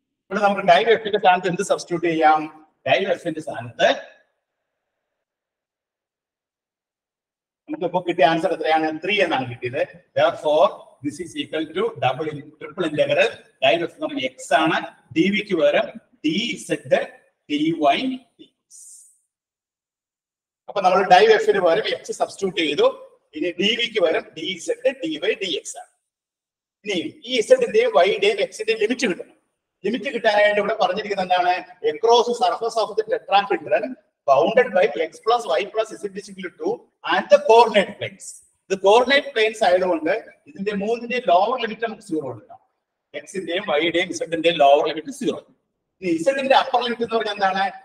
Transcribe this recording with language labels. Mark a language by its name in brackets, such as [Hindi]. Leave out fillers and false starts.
[Malayalam] ഇവിടെ നമുക്ക് ഡൈവ് എഫിന്റെ സ്ഥാനത്ത് എന്ത് സബ്സ്റ്റിറ്റ്യൂട്ട് ചെയ്യാം? ഡൈവ് എഫിന്റെ സ്ഥാനത്ത് നമുക്ക് ഇപ്പോൾ കിട്ടിയ ആൻസർ എത്രയാണ്? 3 എന്നാണ് കിട്ടിയത്. [English] Therefore, this is equal to triple integral dive f from x ആണ്. [Malayalam] dv ക്ക് പകരം dz dy dx. അപ്പോൾ നമ്മൾ dive f ന് പകരം x സബ്സ്റ്റിറ്റ്യൂട്ട് ചെയ്തു. ഇനി dv ക്ക് പകരം dz dy dx ആണ്. ഇനി ഈ z ന്റെ y ന്റെ x ന്റെ ലിമിറ്റ് കിട്ടണം. ലിമിറ്റ് കിട്ടാനായിട്ട് ഇവിടെ പറഞ്ഞിരിക്കുന്നത് എന്താണ്? [English] across the surface of the tetrahedron bounded by x plus y plus z is equal to 2 and the coordinate planes. [Malayalam] ഇത് കോർഡിനേറ്റ് പ്ലെയിൻസ് ആയതുകൊണ്ട് ഇതിന്റെ 3 ലോവർ ലിമിറ്റ് നമുക്ക് 0 എടുക്കാം. എക്സിന്റെയും വൈയുടെയും ഇസഡിന്റെയും ലോവർ ലിമിറ്റ് 0. ഇനി ഇസഡിന്റെ അപ്പർ ലിമിറ്റ് എന്ന് പറഞ്ഞാൽ എന്താണ്?